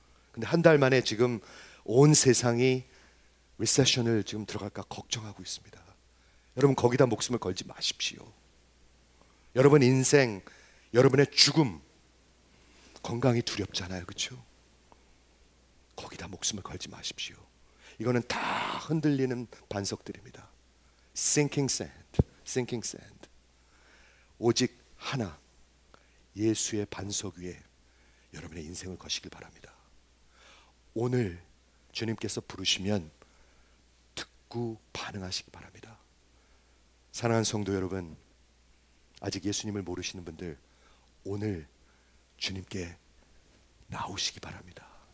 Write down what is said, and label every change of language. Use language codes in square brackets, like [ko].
[ko] 근데 한 달 만에 지금 온 세상이 리세션을 지금 들어갈까 걱정하고 있습니다. 여러분 거기다 목숨을 걸지 마십시오. 여러분 인생, 여러분의 죽음, 건강이 두렵잖아요. 그렇죠? 거기다 목숨을 걸지 마십시오. 이거는 다 흔들리는 반석들입니다. [en] Sinking sand, sinking sand. [ko] 오직 하나, 예수의 반석 위에 여러분의 인생을 거시길 바랍니다. 오늘 주님께서 부르시면 듣고 반응하시기 바랍니다. 사랑하는 성도 여러분, 아직 예수님을 모르시는 분들 오늘 주님께 나오시기 바랍니다.